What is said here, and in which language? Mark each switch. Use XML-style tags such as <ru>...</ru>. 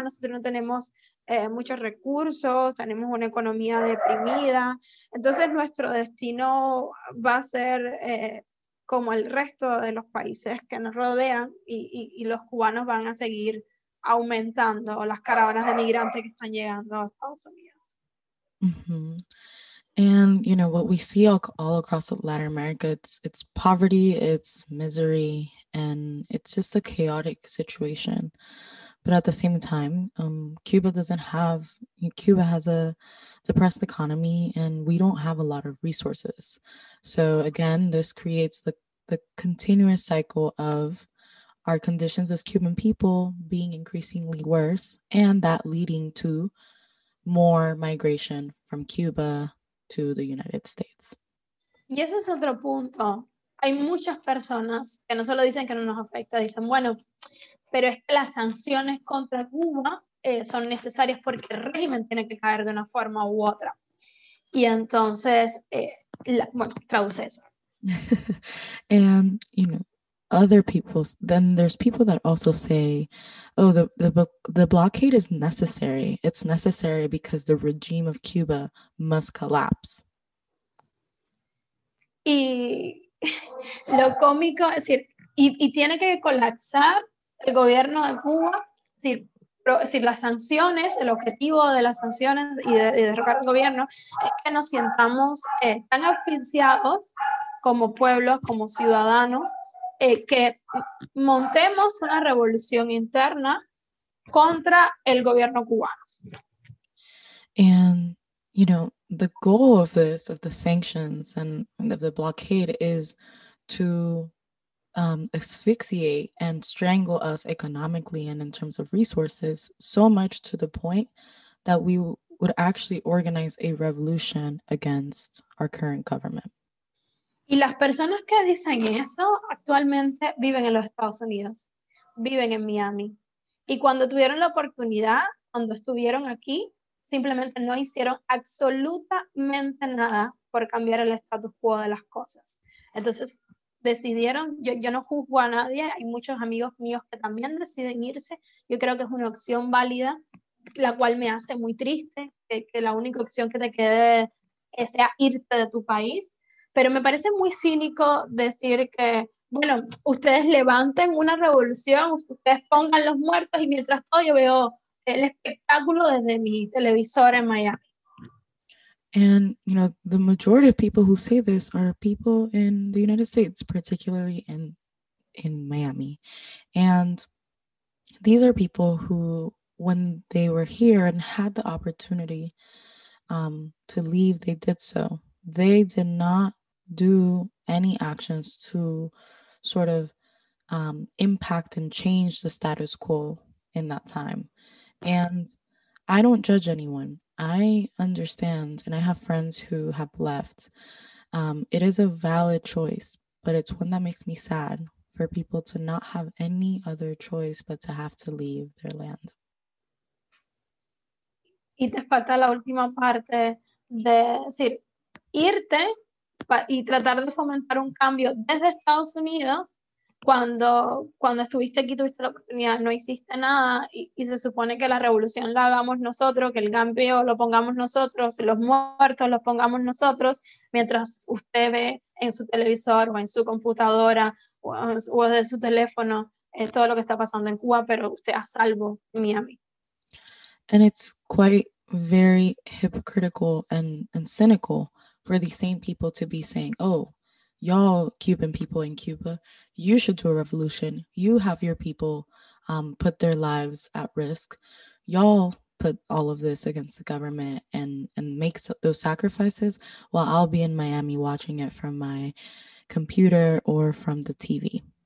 <es>Nosotros no tenemos muchos recursos, tenemos una economía deprimida. Entonces nuestro destino va a ser como el resto de los países que nos rodean, y los cubanos van a seguir aumentando las caravanas de migrantes que están llegando a Estados Unidos. Mm-hmm.</es> <en>And, you know, what we see all across Latin America, it's poverty, it's misery, and it's just a chaotic situation. But at the same time, Cuba has a depressed economy, and we don't have a lot of resources. So again, this creates the continuous cycle of our conditions as Cuban people being increasingly worse, and that leading to more migration from Cuba to the United States.</en> <es>Y ese es otro punto. Hay muchas personas que no solo dicen que no nos afecta, dicen, bueno, pero es que las sanciones contra Cuba son necesarias porque el régimen tiene que caer de una forma u otra. Y entonces, bueno, traduce eso.</es> <en>And, you know, other people, then there's people that also say, oh, the blockade is necessary. It's necessary because the regime of Cuba must collapse.</en> <es>Y lo cómico, es decir, y tiene que colapsar el gobierno de Cuba, es decir, las sanciones, el objetivo de las sanciones y de derrocar al gobierno es que nos sintamos tan asfixiados como pueblos, como ciudadanos, que montemos una revolución interna contra el gobierno cubano.</es> <en>And, you know, the goal of this, of the sanctions and of the blockade, is to asphyxiate and strangle us economically and in terms of resources so much to the point that we would actually organize a revolution against our current government.</en> <es>Y las personas que dicen eso actualmente viven en los Estados Unidos, viven en Miami. Y cuando tuvieron la oportunidad, cuando estuvieron aquí, simplemente no hicieron absolutamente nada por cambiar el status quo de las cosas. Entonces decidieron, yo no juzgo a nadie, hay muchos amigos míos que también deciden irse. Yo creo que es una opción válida, la cual me hace muy triste, que la única opción que te quede sea irte de tu país. Pero me parece muy cínico decir que, bueno, ustedes levanten una revolución, ustedes pongan los muertos y mientras todo yo veo el espectáculo desde mi televisor en Miami.</es> <en>And, you know, the majority of people who say this are people in the United States, particularly in Miami. And these are people who, when they were here and had the opportunity to leave, they did so. They did not do any actions to sort of impact and change the status quo in that time. And I don't judge anyone. I understand, and I have friends who have left. It is a valid choice, but it's one that makes me sad for people to not have any other choice but to have to leave their land.</en> <es>Y te falta la última parte de decir irte y tratar de fomentar un cambio desde Estados Unidos. Cuando estuviste aquí, tuviste la oportunidad, no hiciste nada, y se supone que la revolución la hagamos nosotros, que el cambio lo pongamos nosotros, los muertos los pongamos nosotros, mientras usted ve en su televisor o en su computadora o desde su teléfono todo lo que está pasando en Cuba, pero usted a salvo en Miami.</es> <en>And it's quite very hypocritical and cynical for these same people to be saying, oh, y'all Cuban people in Cuba, you should do a revolution. You have your people put their lives at risk. Y'all put all of this against the government and make those sacrifices while I'll be in Miami watching it from my computer or from the TV.</en>